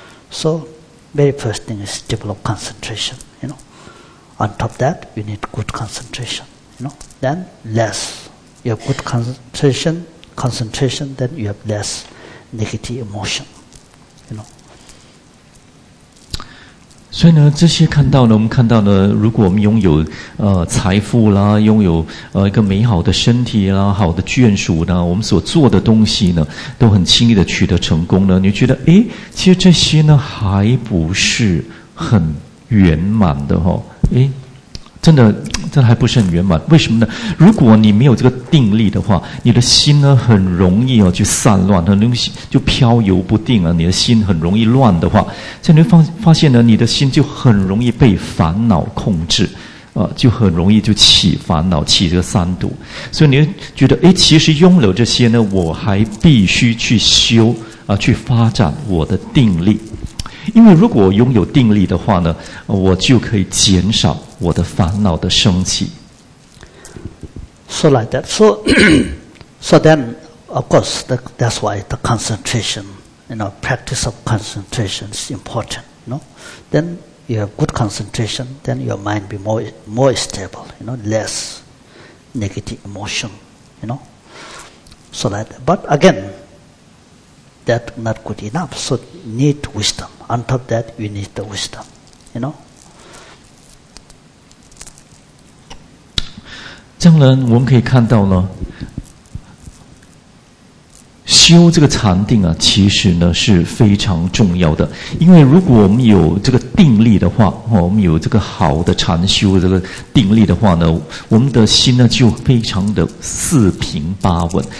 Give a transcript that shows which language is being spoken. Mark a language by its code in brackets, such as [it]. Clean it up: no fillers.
[en] So, very first thing is develop concentration, you know. On top of that, you need good concentration. No, then less. You have good concentration, then you have less negative emotion. You know. [zh] 所以呢，这些看到呢，我们看到呢，如果我们拥有财富啦，拥有一个美好的身体啦，好的眷属呢，我们所做的东西呢，都很轻易的取得成功呢，你觉得诶，其实这些呢，还不是很圆满的哈、哦，诶。真的还不是很圆满，为什么呢？如果你没有这个定力的话，你的心呢很容易哦就散乱，很容易就飘游不定啊，你的心很容易乱的话，所以你会发现呢，你的心就很容易被烦恼控制，就很容易就起烦恼，起这个三毒，所以你会觉得，诶，其实拥有这些呢，我还必须去修啊、去发展我的定力。因为如果我拥有定力的话呢，我就可以减少我的烦恼的升起。 [en] So like that. So then, of course, that's why the concentration, you know, practice of concentration is important. You know, then you have good concentration, then your mind be more stable. You know, less negative emotion. You know, so like that. But again. That not good enough, so need wisdom. On top of that, you need the wisdom, you know? [zh] 这样呢，我们可以看到呢，修这个禅定啊，其实呢是非常重要的。因为如果我们有这个定力的话，我们有这个好的禅修这个定力的话呢，我们的心呢就非常的四平八稳。